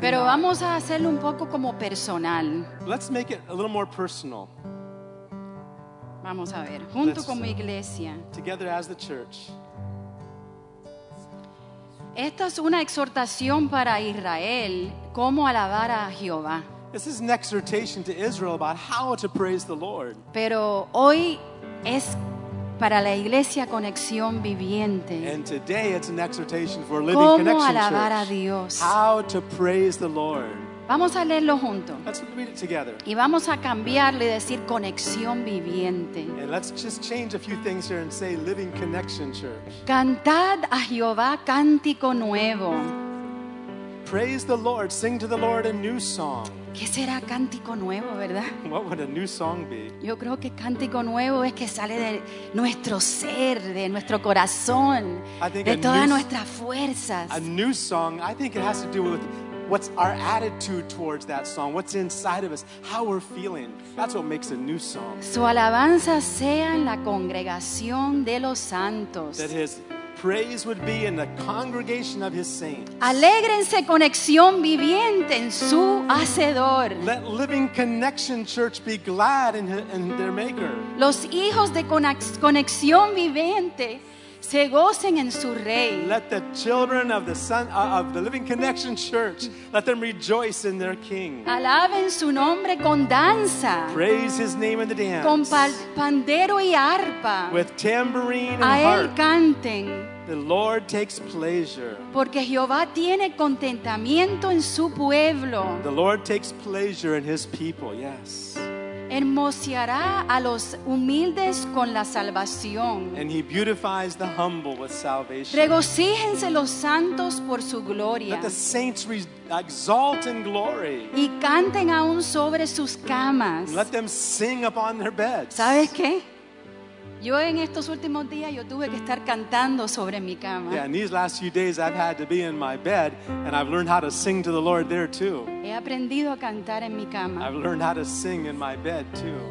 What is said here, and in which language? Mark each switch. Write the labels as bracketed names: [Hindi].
[Spanish] Pero vamos a hacerlo un poco como personal. [English] Let's make it a little more personal. [Spanish] Vamos a ver, junto como iglesia. [English] Together as the church. [Spanish] Esta es una exhortación para Israel, cómo alabar a Jehová. [English] This is an exhortation to Israel about how to praise the Lord. [Spanish] Pero hoy es para la iglesia Conexión Viviente. [English] And today it's an exhortation for Living Connection Church. [Spanish] Cómo alabar a Dios. [English] How to praise the Lord. [Spanish] Vamos a leerlo juntos. [English] Let's read it together. [Spanish] Y vamos a cambiarle y decir Conexión Viviente. [English] And let's just change a few things here and say Living Connection Church. [Spanish] Cantad a Jehová cántico nuevo. [English] Praise the Lord, sing to the Lord a new song. [Spanish] ¿Qué será cántico nuevo, verdad? [English] What would a new song be? [Spanish] Yo creo que cántico nuevo es que sale de nuestro ser, de nuestro corazón, de todas nuestras fuerzas. [English] A new song, I think it has to do with what's our attitude towards that song, what's inside of us, how we're feeling. That's what makes a new song. [Spanish] Su alabanza sea en la congregación de los santos. [English] That his praise would be in the congregation of his saints. [Spanish] Alégrense conexión viviente en su hacedor. [English] Let Living Connection Church be glad in their maker. [Spanish] Los hijos de conexión viviente se gocen en su rey. [English] Let the children of the son of the Living Connection Church, let them rejoice in their king. [Spanish] Alaben su nombre con danza. [English] Praise his name in the dance. [Spanish] Con pandero y arpa. [English] With tambourine and [Spanish] harp. A él [English] harp. [Spanish] Canten. [English] The Lord takes pleasure. [Spanish] Porque Jehová tiene contentamiento en su pueblo. [English] The Lord takes pleasure in his people. Yes. [Spanish] Hermoseará a los humildes con la salvación. [English] And he beautifies the humble with salvation. [Spanish] Regocíjense los santos por su gloria. [English] Let the saints exalt in glory. [Spanish] Y canten aún sobre sus camas. [English] Let them sing upon their beds. [Spanish] ¿Sabes qué? Yo en estos últimos días yo tuve que estar cantando sobre mi cama. [English] Yeah, in these last few days I've had to be in my bed and I've learned how to sing to the Lord there too. [Spanish] He aprendido a cantar en mi cama. [English] I've learned how to sing in my bed too.